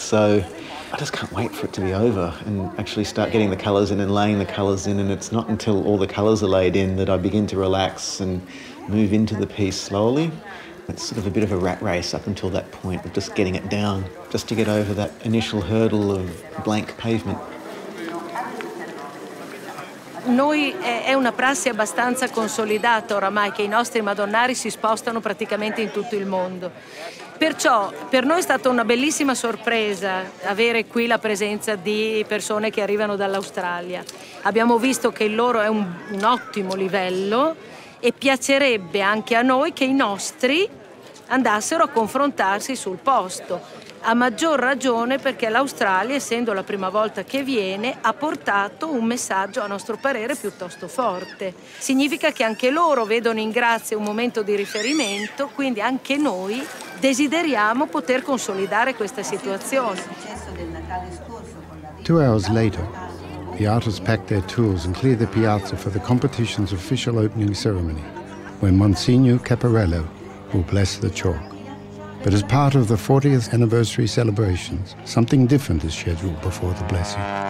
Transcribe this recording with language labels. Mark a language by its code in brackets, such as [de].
[en] So I just can't wait for it to be over and actually start getting the colours in and laying the colours in, and it's not until all the colours are laid in that I begin to relax and move into the piece slowly. It's sort of a bit of a rat race up until that point of just getting it down, just to get over that initial hurdle of blank pavement. [it] Noi è una prassi abbastanza consolidata oramai che I nostri Madonnari si spostano praticamente in tutto il mondo. Perciò per noi è stata una bellissima sorpresa avere qui la presenza di persone che arrivano dall'Australia. Abbiamo visto che il loro è un ottimo livello e piacerebbe anche a noi che I nostri andassero a confrontarsi sul posto. A maggior ragione perché l'Australia, essendo la prima volta che viene, ha portato un messaggio a nostro parere piuttosto forte. Significa che anche loro vedono in Grazie un momento di riferimento, quindi anche noi desideriamo poter consolidare questa situazione. [en] 2 hours later, the artists pack their tools and clear the piazza for the competition's official opening ceremony, when Monsignor Caparello will bless the chalk. But as part of the 40th anniversary celebrations, something different is scheduled before the blessing.